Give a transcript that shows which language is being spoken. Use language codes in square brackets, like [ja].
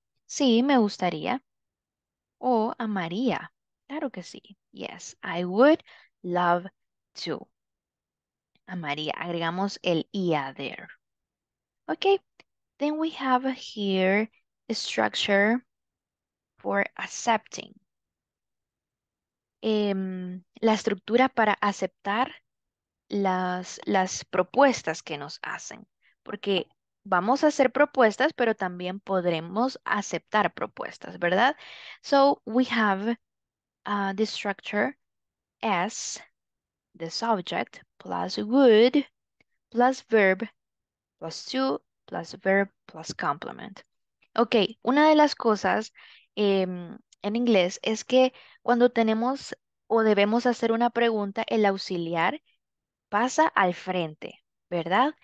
[es] Sí, me gustaría. O amaría. Claro que sí. [en] Yes, I would love to. [es] Amaría. Agregamos el ia there. [en] Ok, then we have here a structure for accepting. [es] La estructura para aceptar las propuestas que nos hacen, porque vamos a hacer propuestas, pero también podremos aceptar propuestas, ¿verdad? [en] So, we have the structure S, the subject, plus would, plus verb, plus to, plus verb, plus complement. [es] Ok, una de las cosas en inglés es que cuando tenemos o debemos hacer una pregunta, el auxiliar pasa al frente, ¿verdad?